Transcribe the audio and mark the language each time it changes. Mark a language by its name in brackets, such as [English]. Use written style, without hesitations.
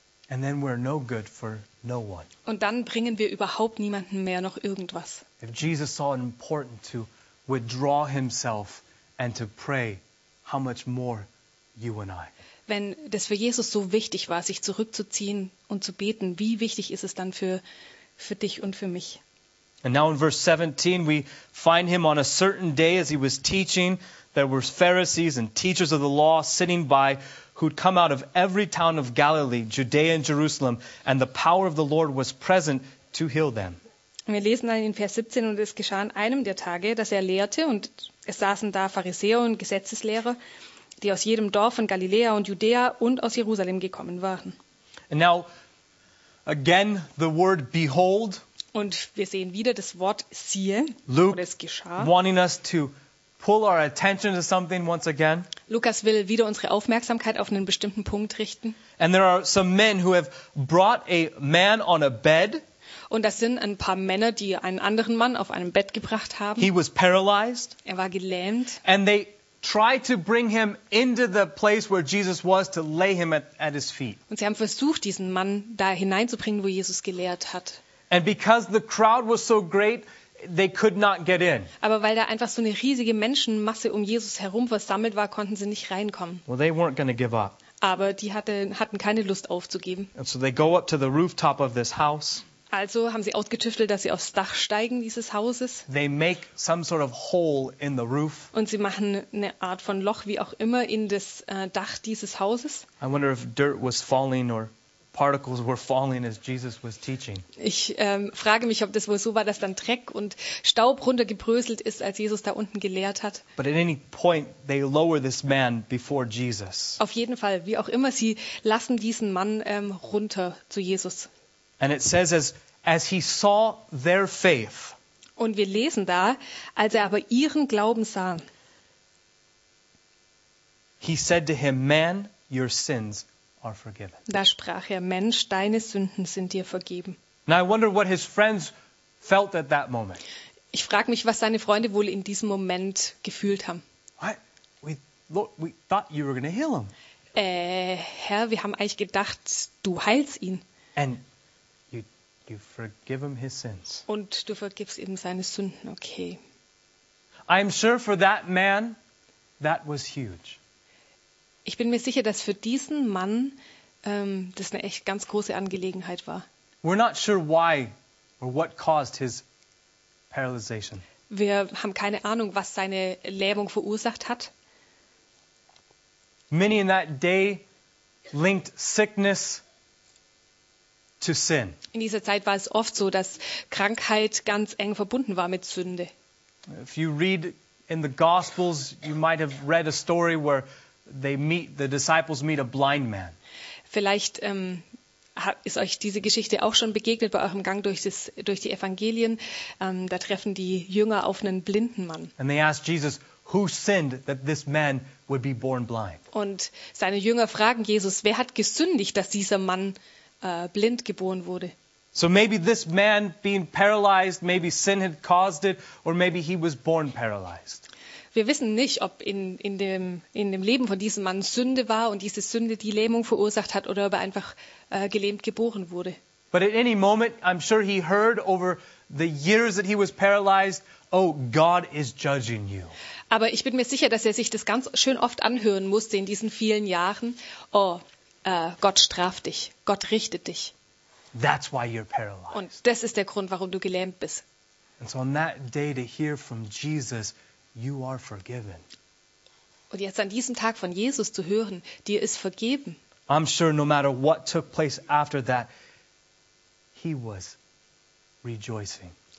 [English] And then we're no good for no one. [German] Und dann bringen wir überhaupt niemanden mehr noch irgendwas. [English] If Jesus saw it important to withdraw himself and to pray, how much more you and I? [German] Wenn das für Jesus so wichtig war, sich zurückzuziehen und zu beten, wie wichtig ist es dann für dich und für mich? [English] And now in verse 17 we find him on a certain day as he was teaching, there were Pharisees and teachers of the law sitting by who'd come out of every town of Galilee, Judea and Jerusalem, and the power of the Lord was present to heal them. [German] Wir lesen dann in Vers 17, und es geschah an einem der Tage, dass er lehrte, und es saßen da Pharisäer und Gesetzeslehrer, die aus jedem Dorf von Galiläa und Judäa und aus Jerusalem gekommen waren. [English] And now, again, the word behold. [German] Und wir sehen wieder das Wort siehe, [English] Luke, [German] oder es geschah. [English] Wanting us to pull our attention to something once again. [German] Lukas will wieder unsere Aufmerksamkeit auf einen bestimmten Punkt richten. [English] And there are some men who have brought a man on a bed. [German] Und das sind ein paar Männer, die einen anderen Mann auf einem Bett gebracht haben. [English] He was paralyzed. [German] Er war gelähmt. [English] And they tried to bring him into the place where Jesus was to lay him at his feet. [German] Und sie haben versucht, diesen Mann da hineinzubringen, wo Jesus gelehrt hat. [English] And because the crowd was so great, they could not get in. [German] Aber weil da einfach so eine riesige Menschenmasse um Jesus herum versammelt war, konnten sie nicht reinkommen. [English] Well, they weren't going to give up. [German] Aber die hatten keine Lust aufzugeben. [English] And so they go up to the rooftop of this house. [German] Also haben sie ausgetüftelt, dass sie aufs Dach steigen dieses Hauses. [English] They make some sort of hole in the roof. [German] Und sie machen eine Art von Loch, wie auch immer, in das Dach dieses Hauses. [English] I wonder if dirt was falling or particles were falling as Jesus was teaching. [German] Ich frage mich, ob das wohl so war, dass dann Dreck und Staub runtergebröselt ist, als Jesus da unten gelehrt hat. [English] But at any point they lower this man before Jesus. [German] Auf jeden Fall, wie auch immer, sie lassen diesen Mann runter zu Jesus. [English] And it says as he saw their faith. [German] Und wir lesen da, als er aber ihren Glauben sah. [English] He said to him, "Man, your sins are forgiven." [German] Da sprach er, Mensch, deine Sünden sind dir vergeben. [English] Now I wonder what his friends felt at that moment. [German] Ich frage mich, was seine Freunde wohl in diesem Moment gefühlt haben. [English] We thought you were going to heal him. [German] Herr, wir haben eigentlich gedacht, du heilst ihn. [English] And you forgive him his sins. [German] Und du vergibst ihm seine Sünden, okay. [English] I'm sure for that man, that was huge. [German] Ich bin mir sicher, dass für diesen Mann das eine echt ganz große Angelegenheit war. [English] We're not sure why or what caused his paralyzation. [German] Wir haben keine Ahnung, was seine Lähmung verursacht hat. [English] Many in that day linked sickness to sin. [German] In dieser Zeit war es oft so, dass Krankheit ganz eng verbunden war mit Sünde. [English] If you read in the Gospels, you might have read a story where the disciples meet a blind man. [German] Vielleicht ist euch diese Geschichte auch schon begegnet bei eurem Gang durch die Evangelien. Da treffen die Jünger auf einen blinden Mann. [English] And they ask Jesus, who sinned that this man would be born blind? [German] Und seine Jünger fragen Jesus, wer hat gesündigt, dass dieser Mann blind geboren wurde. [English] So maybe this man being paralyzed, maybe sin had caused it, or maybe he was born paralyzed. [German] Wir wissen nicht, ob in dem Leben von diesem Mann Sünde war und diese Sünde die Lähmung verursacht hat oder ob er einfach gelähmt geboren wurde. [English] But at any moment, I'm sure he heard over the years that he was paralyzed, oh, God is judging you. [German] Aber ich bin mir sicher, dass er sich das ganz schön oft anhören musste in diesen vielen Jahren. Oh, Gott straft dich. Gott richtet dich. [English] That's why you're paralyzed. [German] Und das ist der Grund, warum du gelähmt bist. [English] And so on that day to hear from Jesus, you are forgiven. [German] Und jetzt an diesem Tag von Jesus zu hören, dir ist vergeben. [English] I'm sure no matter what took place after that, he was rejoicing.